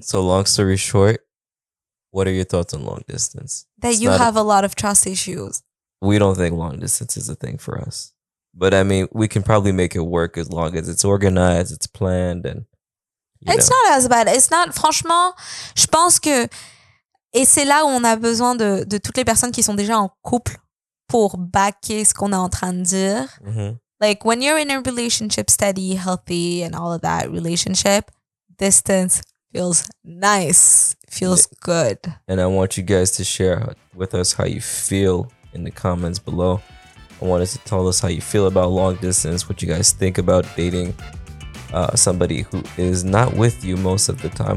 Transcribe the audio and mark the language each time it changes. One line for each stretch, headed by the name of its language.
English: So long story short, what are your thoughts on long distance? That you have a lot of trust issues. We don't think long distance is a thing for us. But I mean, we can probably make it work as long as it's organized, it's planned, and it's not as bad. It's not,
French: franchement, je pense que. Et c'est là où on a besoin de toutes les personnes qui sont déjà en couple pour backer ce qu'on est en train de dire. Mm-hmm.
English: Like, when you're in a relationship steady, healthy, and all of that relationship, distance feels nice, feels good. And I want you guys to share with us how you feel in the comments below. I want us to tell us how you feel about long distance, what you guys think about dating somebody who is not with you most of the time.